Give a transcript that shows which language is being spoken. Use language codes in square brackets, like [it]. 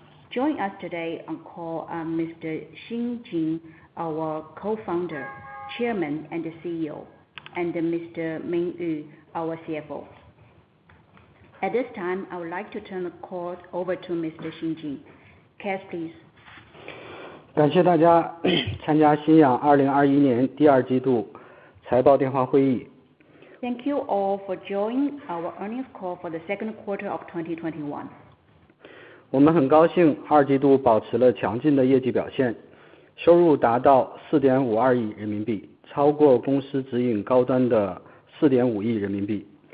[en] Join us today on call Mr. Xin Jin, our co-founder, chairman, and CEO, and Mr. Ming Yu, our CFO. At this time, I would like to turn the call over to Mr. Xin Jin. Cass, please. [zh] 感谢大家参加新阳2021年第二季度财报电话会议。 [en] Thank you all for joining our earnings call for the second quarter of 2021. [zh] 我们很高兴二季度保持了强劲的业绩表现，收入达到4.52亿人民币，超过公司指引高端的4.5亿人民币。